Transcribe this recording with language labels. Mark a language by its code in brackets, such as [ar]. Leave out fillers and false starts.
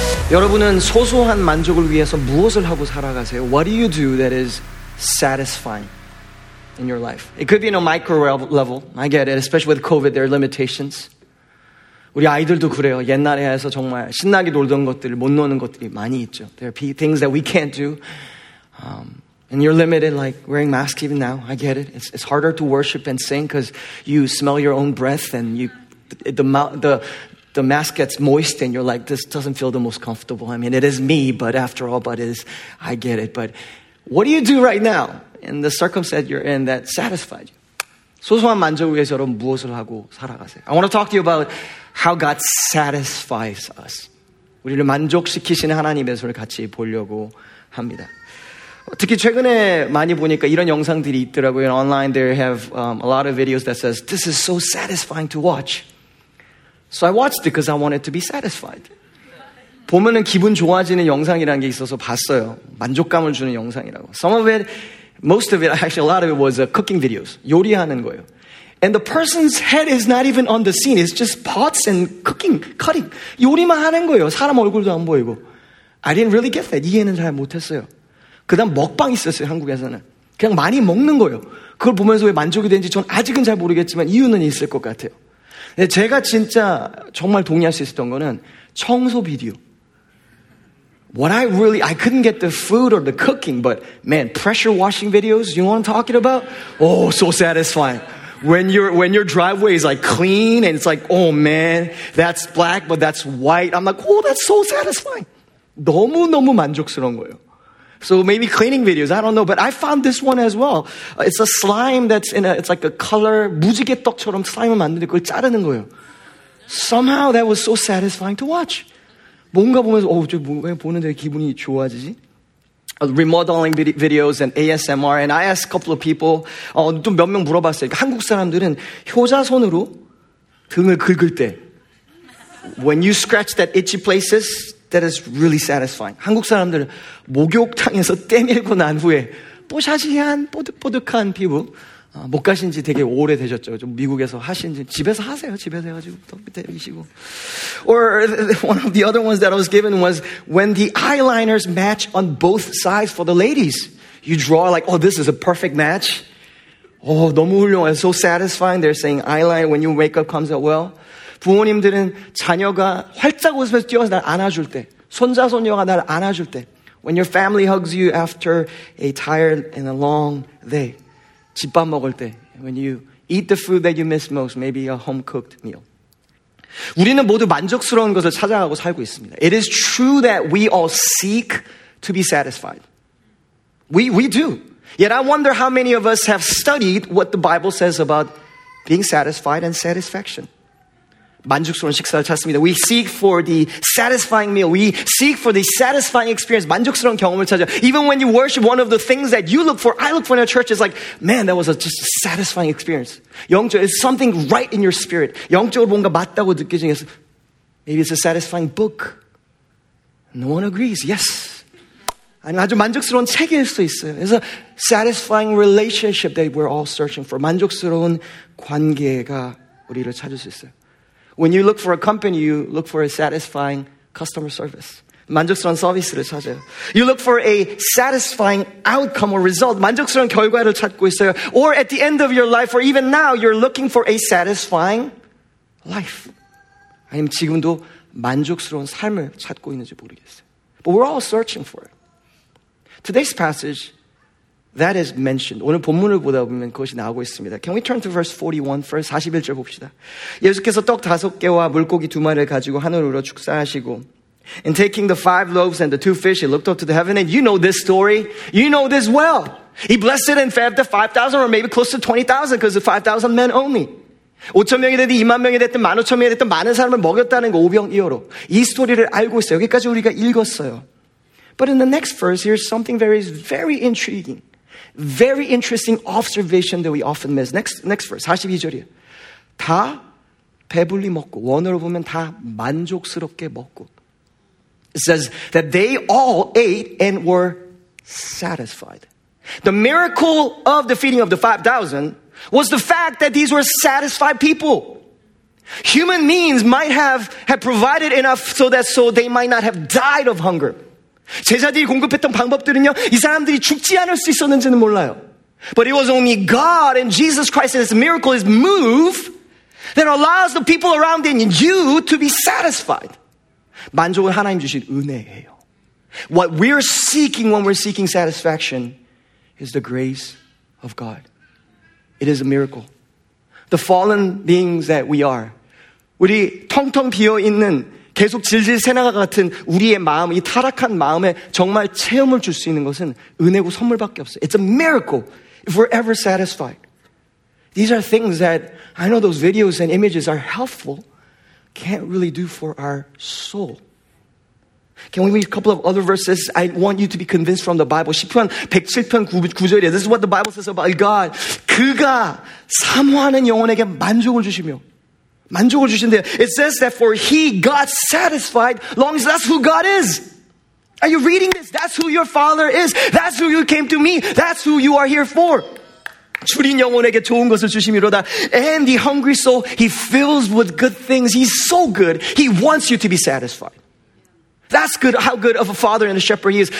[ko] 여러분은 소소한 만족을 위해서 무엇을 하고 살아가세요? [en] What do you do that is satisfying in your life? It could be in a micro level. I get it. Especially with COVID, there are limitations. [ko] 우리 아이들도 그래요. 옛날에서 정말 신나게 놀던 것들, 못 노는 것들이 많이 있죠. [en] There are things that we can't do. And you're limited, like wearing masks even now. I get it. It's harder to worship and sing because you smell your own breath and you, the mask gets moist and you're like, this doesn't feel the most comfortable. I mean, it is me, but after all, but it is, I get it. But what do you do right now in the circumstance you're in that satisfies you? [ko] 소소한 만족을 위해서 여러분 무엇을 하고 살아가세요? [en] I want to talk to you about how God satisfies us. [ko] 우리를 만족시키시는 하나님의 손을 같이 보려고 합니다. 특히 최근에 많이 보니까 이런 영상들이 있더라고요. [en] Online, they have a lot of videos that says, this is so satisfying to watch. So I watched it because I wanted to be satisfied. [ko] 보면은 기분 좋아지는 영상이라는 게 있어서 봤어요. 만족감을 주는 영상이라고. [en] Some of it, most of it, actually a lot of it was cooking videos. [ko] 요리하는 거예요. [en] And the person's head is not even on the scene. It's just pots and cooking, cutting. [ko] 요리만 하는 거예요. 사람 얼굴도 안 보이고. [en] I didn't really get that. [ko] 이해는 잘 못했어요. 그 다음 먹방 있었어요, 한국에서는. 그냥 많이 먹는 거예요. 그걸 보면서 왜 만족이 되는지 전 아직은 잘 모르겠지만 이유는 있을 것 같아요. 근데 제가 진짜 정말 동의할 수 있었던 거는 청소 비디오. [en] What I couldn't get the food or the cooking, but man, pressure washing videos, you know what I'm talking about? Oh, so satisfying. When your driveway is like clean and it's like, oh man, that's black, but that's white. I'm like, oh, that's so satisfying. [ko] 너무너무 만족스러운 거예요. [en] So maybe cleaning videos, I don't know, but I found this one as well. It's a slime that's in a, it's like a color, [ko] 무지개떡처럼 slime을 만드는데 그걸 자르는 거예요. [en] Somehow that was so satisfying to watch. [ko] 뭔가 보면서, 어우, 저 뭔가 보는데 기분이 좋아지지? [en] Remodeling videos and ASMR, and I asked a couple of people, [ko] 좀 몇 명 물어봤어요. 그러니까 한국 사람들은 효자손으로 등을 긁을 때, [en] when you scratch that itchy places, that is really satisfying. [ko] 한국 사람들은 목욕탕에서 때밀고 난 후에 뽀샤시한 뽀득뽀득한 피부. 못 가신 지 되게 오래되셨죠. 좀 미국에서 하신 지 집에서 하세요. 집에서 해가지고 턱 밑에 미시고. [en] Or one of the other ones that I was given was when the eyeliners match on both sides for the ladies. You draw like, oh, this is a perfect match. Oh, [ko] 너무 훌륭해. [en] So satisfying. They're saying eyeliner when your makeup comes out well. [ko] 부모님들은 자녀가 활짝 웃으면서 뛰어서 날 안아줄 때, [en] 손자, 손녀가 날 안아줄 때, when your family hugs you after a tired and a long day, [ko] 집밥 먹을 때, [en] when you eat the food that you miss most, maybe a home-cooked meal. [ko] 우리는 모두 만족스러운 것을 찾아가고 살고 있습니다. [en] It is true that we all seek to be satisfied. We do. Yet I wonder how many of us have studied what the Bible says about being satisfied and satisfaction. [ko] 만족스러운 식사를 찾습니다. [en] We seek for the satisfying meal. We seek for the satisfying experience. [ko] 만족스러운 경험을 찾아. [en] Even when you worship, one of the things that you look for, I look for in a church is like, man, that was just a satisfying experience. [ko] 영적으로, [en] it's something right in your spirit. [ko] 영적으로 뭔가 맞다고 느껴지는 것. [en] Maybe it's a satisfying book. No one agrees. Yes. [ko] 아니, 아주 만족스러운 책일 수 있어요. [en] It's a satisfying relationship that we're all searching for. [ko] 만족스러운 관계가 우리를 찾을 수 있어요. [en] When you look for a company, you look for a satisfying customer service. [ko] 만족스러운 서비스를 찾아요. [en] You look for a satisfying outcome or result. [ko] 만족스러운 결과를 찾고 있어요. [en] Or at the end of your life, or even now, you're looking for a satisfying life. [ko] 아니면 지금도 만족스러운 삶을 찾고 있는지 모르겠어요. [en] But we're all searching for it. Today's passage, that is mentioned. [ko] 오늘 본문을 보다 보면 그것이 나오고 있습니다. [en] Can we turn to verse 41, verse [ko] 41절 봅시다. 예수께서 떡 다섯 개와 물고기 두 마리를 가지고 하늘으로 축사하시고 [en] And taking the five loaves and the two fish, he looked up to the heaven. And you know this story. You know this well. He blessed it and fed the 5,000 or maybe close to 20,000 because of 5,000 men only. [ko] 5천 명이 됐든 2만 명이 됐든 1만 5천 명이 됐든 많은 사람을 먹였다는 거 오병 이어로. 이 스토리를 알고 있어요. 여기까지 우리가 읽었어요. [en] But in the next verse, here's something very, very intriguing. Very interesting observation that we often miss. Next verse, 42절이에요. [ko] 다 배불리 먹고, 원어로 보면 다 만족스럽게 먹고. [en] It says that they all ate and were satisfied. The miracle of the feeding of the 5,000 was the fact that these were satisfied people. Human means might have provided enough so that so they might not have died of hunger. [ko] 제자들이 공급했던 방법들은요, 이 사람들이 죽지 않을 수 있었는지는 몰라요. [en] But it was only God and Jesus Christ and His miracle, His move, that allows the people around in you to be satisfied. [ko] 만족은 하나님 주신 은혜예요. [en] What we're seeking when we're seeking satisfaction is the grace of God. It is a miracle. The fallen beings that we are, [ko] 우리 텅텅 비어있는 계속 질질 새나가 같은 우리의 마음, 이 타락한 마음에 정말 체험을 줄 수 있는 것은 은혜고 선물밖에 없어요. [en] It's a miracle if we're ever satisfied. These are things that, I know those videos and images are helpful, can't really do for our soul. Can we read a couple of other verses? I want you to be convinced from the Bible. [ko] 시편 107편 9절이에요. [en] This is what the Bible says about God. [ko] 그가 사모하는 영혼에게 만족을 주시며 만족을 주신대요. [en] It says that for he got satisfied long as that's who God is. Are you reading this? That's who your father is. That's who you came to me. That's who you are here for. [ko] 주린 영혼에게 좋은 것을 주심이로다. [en] And the hungry soul, he fills with good things. He's so good. He wants you to be satisfied. That's good, how good of a father and a shepherd he is.